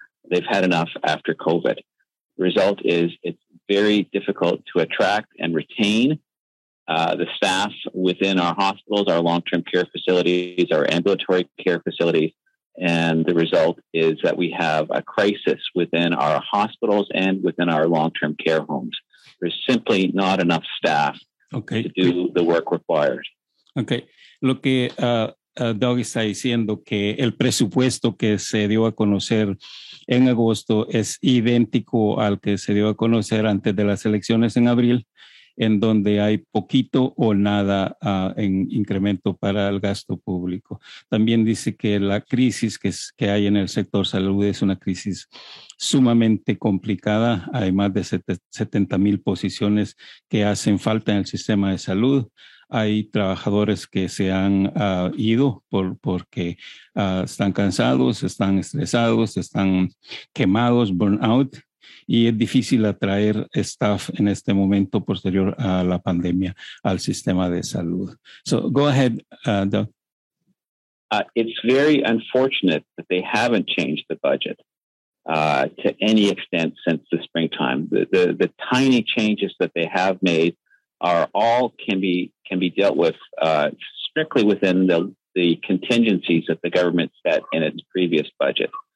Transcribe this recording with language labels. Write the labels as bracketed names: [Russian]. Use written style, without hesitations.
[English] They've had enough after COVID. Result is it's very difficult to attract and retain the staff within our hospitals, our long-term care facilities, our ambulatory care facilities. And the result is that we have a crisis within our hospitals and within our long-term care homes. There's simply not enough staff to do the work required. Okay. [Spanish] Look, Doug está diciendo que el presupuesto que se dio a conocer en agosto es idéntico al que se dio a conocer antes de las elecciones en abril, en donde hay poquito o nada en incremento para el gasto público. También dice que la crisis que hay en el sector salud es una crisis sumamente complicada. Hay más de 70,000 posiciones que hacen falta en el sistema de salud. Hay trabajadores que se han ido porque están cansados, están estresados, están quemados, burnout, y es difícil atraer staff en este momento posterior a la pandemia al sistema de salud. [English] So go ahead, Doug. It's very unfortunate that they haven't changed the budget to any extent since the springtime. The tiny changes that they have made are all can be dealt with strictly within the contingencies that the government set in its previous budget.